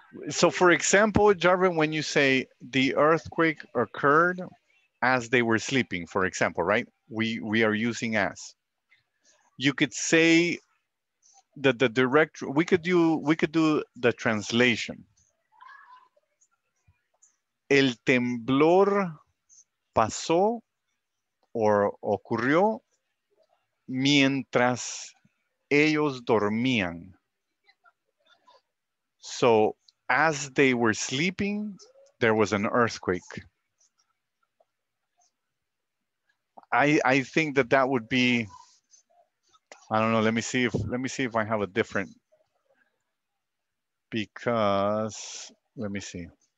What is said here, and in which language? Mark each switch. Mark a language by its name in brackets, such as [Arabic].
[English] So for example, Jarvin, when you say the earthquake occurred as they were sleeping, for example, right? We are using as. You could say that the direct, we could do the translation. [Spanish] El temblor pasó or ocurrió mientras ellos dormían. [English] So as they were sleeping, there was an earthquake. I think that that would be, I don't know, let me see if I have a different, because, let me see.